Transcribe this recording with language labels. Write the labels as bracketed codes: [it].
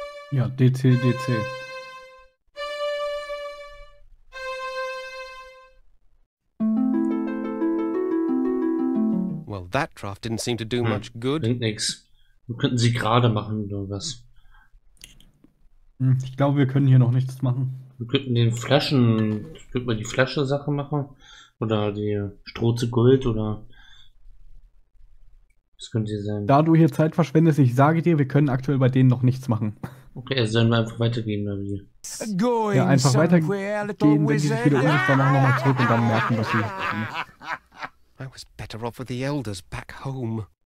[de] Ja, D, C, D, C. [en] Well, that draft didn't seem to do much good. [de] Bringt nix. Wir könnten sie gerade machen, oder was? Ich glaube, wir können hier noch nichts machen. Wir könnten den Flaschen, könnten wir die Flasche-Sache machen? Oder die Stroh zu Gold, oder... Das könnte sie sein. Da du hier Zeit verschwendest, ich sage dir, wir können aktuell bei denen noch nichts machen. Okay, also sollen wir einfach weitergehen, oder wie? Ja, einfach weitergehen, wenn sie sich wieder unsichtbar machen, nochmal zurück und dann merken, was sie tun. [en] I was better off with the elders back home.